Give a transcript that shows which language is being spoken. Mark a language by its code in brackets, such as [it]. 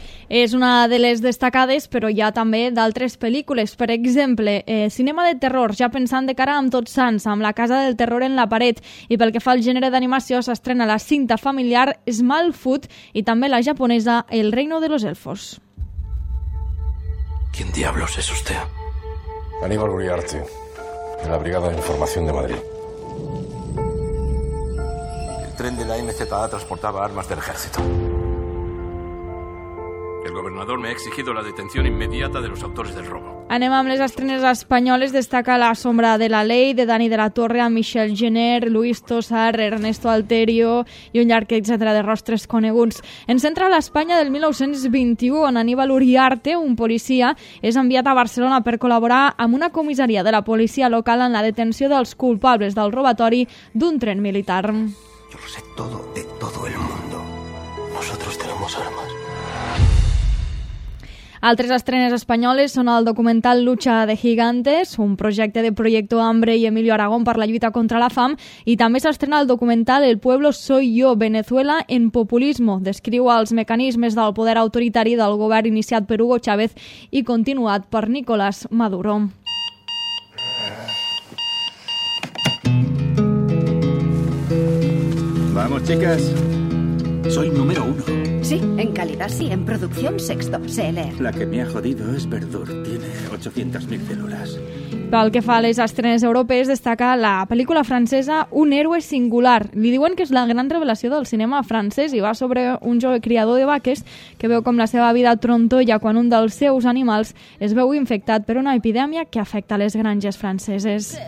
[ca] És una de les destacades, però hi ha també d'altres pel·lícules. Per exemple, cinema de terror, ja pensant de cara amb Tots Sants, amb La casa del terror en la paret. I pel que fa al gènere d'animació, s'estrena la cinta familiar Small Food i també la japonesa El reino de los elfos. [es] ¿Quién diablos es usted? Aníbal Uriarte, de la Brigada de Información de Madrid. El tren de la MZA transportaba armas del ejército. El gobernador me ha exigido la detención inmediata de los autores del robo. [ca] Anem amb les estrenes espanyoles. Destaca La sombra de la ley, de Dani de la Torre, a Michel Jenner, Luis Tosar, Ernesto Alterio i un llarg etcètera de rostres coneguts. Ens entra a l'Espanya del 1921, on Aníbal Uriarte, un policia, és enviat a Barcelona per col·laborar amb una comissaria de la policia local en la detenció dels culpables del robatori d'un tren militar. [es] Yo lo sé todo de todo el mundo. Nosotros tenemos armas. [ca] Altres estrenes espanyoles són el documental Lucha de Gigantes, un projecte de Proyecto Hambre i Emilio Aragón per la lluita contra la fam, i també s'estrena el documental El pueblo soy yo, Venezuela en populismo. Descriu els mecanismes del poder autoritari del govern iniciat per Hugo Chávez i continuat per Nicolás Maduro. [es] Vamos, chicas. Soy número uno. Sí, en calidad sí, en producción sexto, CLR. La que me ha jodido es Verdur, tiene 800.000 células. [ca] Pel que fa a les estrenes europees, destaca la pel·lícula francesa Un héroe singular. Li diuen que és la gran revelació del cinema francès i va sobre un jove criador de vaques que veu com la seva vida trontolla quan un dels seus animals es veu infectat per una epidèmia que afecta les granges franceses.